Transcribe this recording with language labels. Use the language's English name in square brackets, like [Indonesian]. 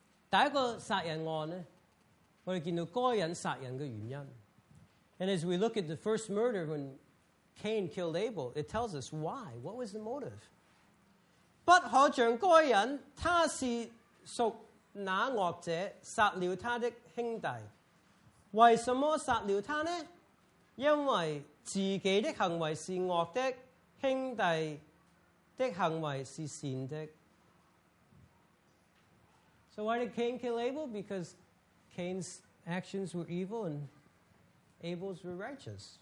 [Chinese] 第一個殺人案,我們看到該人殺人的原因。 [English] And as we look at the first murder when Cain killed Abel, it tells us why. What was the motive? [Chinese] 不可像該人,他是屬那惡者,殺了他的兄弟。為什麼殺了他呢?因為自己的行為是惡的,兄弟的行為是善的。 [English] So why did Cain kill Abel? Because Cain's actions were evil and Abel's were righteous.